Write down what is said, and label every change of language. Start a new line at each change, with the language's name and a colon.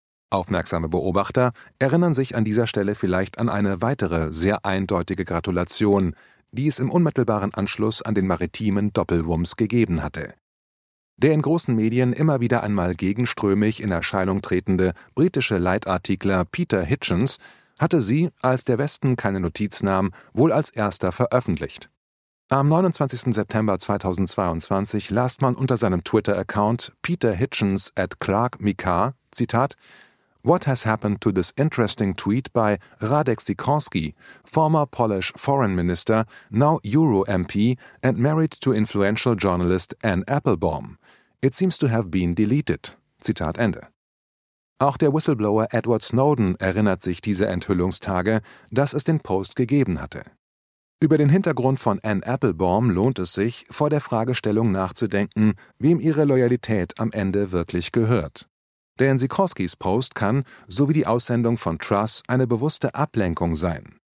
German: Aufmerksame Beobachter erinnern sich an dieser Stelle vielleicht an eine weitere sehr eindeutige Gratulation, die es im unmittelbaren Anschluss an den maritimen Doppelwumms gegeben hatte. Der in großen Medien immer wieder einmal gegenströmig in Erscheinung tretende britische Leitartikler Peter Hitchens hatte sie, als der Westen keine Notiz nahm, wohl als erster veröffentlicht. Am 29. September 2022 las man unter seinem Twitter-Account Peter Hitchens at Clark Mika, Zitat:
English: What has happened to this interesting tweet by Radek Sikorski, former Polish foreign minister, now Euro MP and married to influential journalist Anne Applebaum? It seems to have been deleted.
German: Zitat Ende. Auch der Whistleblower Edward Snowden erinnert sich dieser Enthüllungstage, dass es den Post gegeben hatte. Über den Hintergrund von Anne Applebaum lohnt es sich, vor der Fragestellung nachzudenken, wem ihre Loyalität am Ende wirklich gehört. Denn Sikorskis Post kann, so wie die Aussendung von Truss, eine bewusste Ablenkung sein.